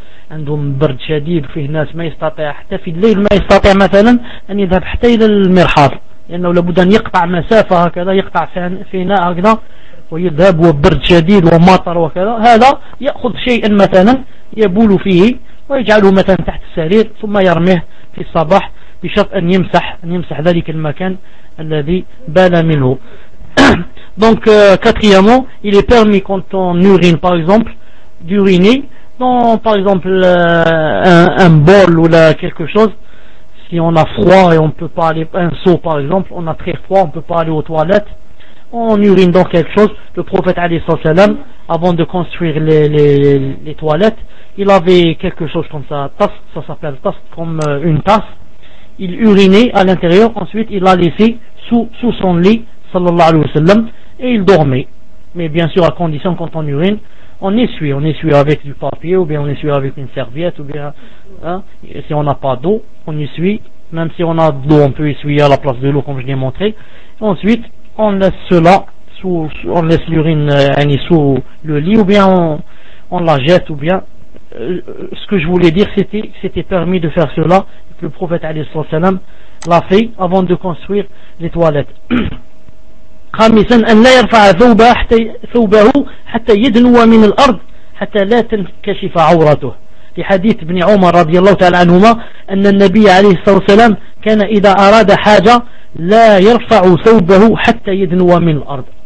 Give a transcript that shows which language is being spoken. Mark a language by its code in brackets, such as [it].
[ar] عندهم برد شديد فيه ناس ما يستطيع حتى في الليل ما يستطيع مثلا أن يذهب حتى إلى المرحاض لأنه لابد أن يقطع مسافة هكذا يقطع فيناء هكذا ويذهب وبرد شديد ومطر وكذا هذا يأخذ شيئا مثلا يبول فيه ويجعله مثلا تحت السرير ثم يرميه في الصباح بشرط أن يمسح ذلك المكان الذي بال منه. [fr] Donc quatrièmement, il est permis quand on urine par exemple d'uriner dans par exemple un bol ou là quelque chose. Si on a froid et on peut pas aller un seau par exemple, on a très froid, on peut pas aller aux toilettes, on urine dans quelque chose. Le prophète alayhi salatu wasalam, avant de construire les toilettes, il avait quelque chose comme ça, tasse, ça s'appelle tasse, comme une tasse. Il urinait à l'intérieur, ensuite il l'a laissé sous son lit. Sallallahu alayhi wa sallam, et il dormait. Mais bien sûr, à condition, quand on urine, on essuie avec du papier, ou bien on essuie avec une serviette, ou bien, hein, si on n'a pas d'eau, on essuie. Même si on a de l'eau, on peut essuyer à la place de l'eau, comme je l'ai montré. Ensuite, on laisse cela, on laisse l'urine sous le lit, ou bien on la jette, ou bien. Ce que je voulais dire, c'était permis de faire cela, que le prophète alayhi wa sallam l'a fait avant de construire les toilettes. [ar] خامسا أن لا يرفع ثوبه حتى يدنو من الأرض حتى لا تنكشف عورته. في حديث ابن عمر رضي الله تعالى عنهما أن النبي عليه الصلاة والسلام كان إذا أراد حاجة لا يرفع ثوبه حتى يدنو من الأرض.